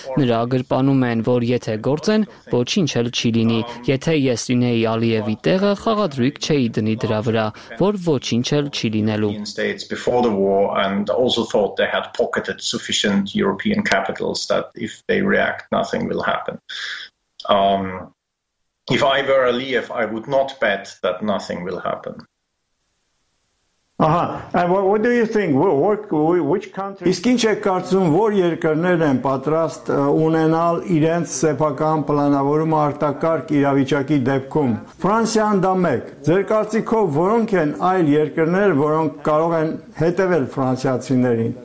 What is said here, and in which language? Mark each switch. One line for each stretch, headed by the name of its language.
Armenian: նրա գրպանում են, որ եթե գործեն, ոչինչ էլ չի լինի, եթե ես լինեի Ալիևի տեղը, խաղադրույք չէի դնի դրա վրա, որ ոչինչ էլ չի լինելու։
English: If I were Aliyev, I would not bet that nothing will happen. And what do you think? Which country?
Armenian: Իսկ ինչ եք կարծում, որ երկրներն են պատրաստ ունենալ իրենց սեփական պլանավորումը արտակարգ իրավիճակի դեպքում? Ֆրանսիան դա մեկ։ Ձեր կարծիքով որոնք են այլ երկրներ, որոնք կարող են հետևել ֆրանսիացիներին?